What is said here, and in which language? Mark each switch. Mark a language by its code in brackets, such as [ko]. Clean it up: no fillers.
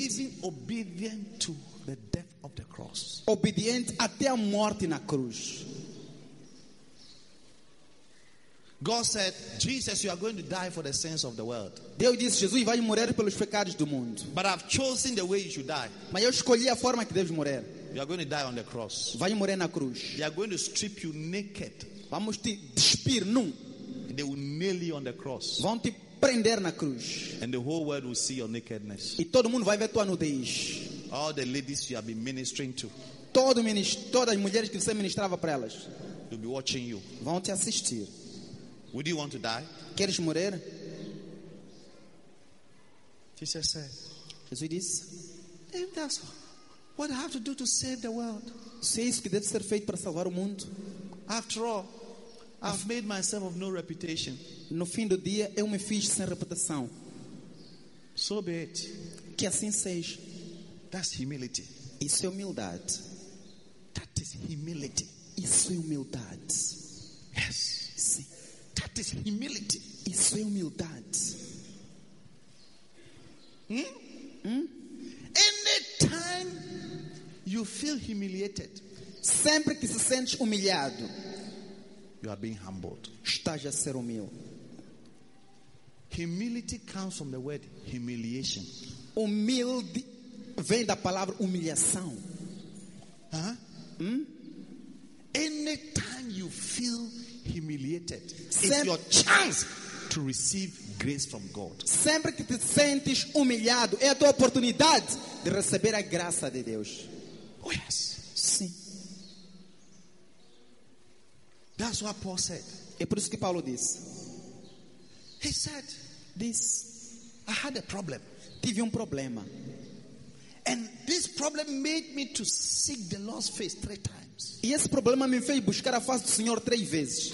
[en] Even obedient to the death of the cross. [pt] Obediente até a morte na cruz. [en] God said, Jesus, you are going to die for the sins of the world. [pt] Deus disse, Jesus, vai morrer pelos pecados do mundo. [en] But I've chosen the way you should die. [pt] Mas eu escolhi a forma que deves morrer. [en] You are going to die on the cross. [pt] Vai morrer na cruz. [en] They are going to strip you naked. [pt] Vamos te despir nu. [en] And they will nail you on the cross. [pt] Vão te prender na cruz. [en] And the whole world will see your nakedness. [pt] E todo mundo vai ver tua nudez. [en] All the ladies you have been ministering to. [pt] Todas as mulheres que você ministrava para elas. [en] They'll be watching you. [pt] Vão te assistir. [en] Would you want to die? [pt] Queres morrer? [en] Jesus said. [pt] Jesus disse. [en] If that's what I have to do to save the world. [pt] Se é isso que deve ser feito para salvar o mundo. [en] After all, I've made myself of no reputation. [pt] No fim do dia, eu me fiz sem reputação. [en] So be it. [pt] Que assim seja. [en] That's humility. [pt] Isso é humildade. [en] That is humility. [pt] Isso é humildade. [en] Yes. [pt] Sim. [en] That is humility. [pt] Isso é humildade. [en] Anytime you feel humiliated. [pt] Sempre que se sente humilhado. [en] You are being humbled. [pt] Estás a ser humilde. [en] Humility comes from the word humiliation. [pt] Humilde vem da palavra humilhação. [en] Anytime you feel humiliated, it's your chance to receive grace from God. [pt] Sempre que te sentes humilhado, é a tua oportunidade de receber a graça de Deus. [en] Oh, yes. [pt] Sim. [en] That's what Paul said. [pt] É por isso que Paulo disse. [en] He said this. I had a problem. [pt] Tive problema. [en] And this problem made me to seek the Lord's face 3 times. [pt] E esse problema me fez buscar a face do Senhor 3 vezes.